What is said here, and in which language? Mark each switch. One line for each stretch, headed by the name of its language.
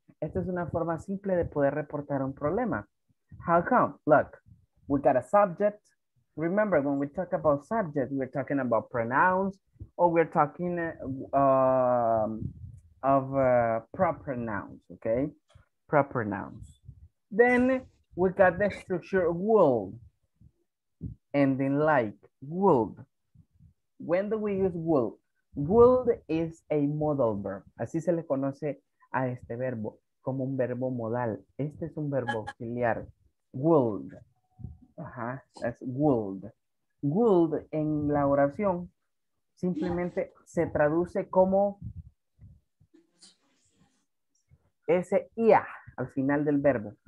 Spanish: Esta es una forma simple de poder reportar un problema.
English: How come? Look, we got a subject. Remember, when we talk about subject, we're talking about pronouns, or we're talking of proper nouns, okay? Proper nouns. Then we got the structure would, ending like would. When do we use would? Would is a modal verb.
Spanish: Así se le conoce a este verbo, como un verbo modal. Este es un verbo auxiliar, would.
English: Ajá, that's would.
Spanish: Would en la oración simplemente se traduce como ese ia al final del verbo.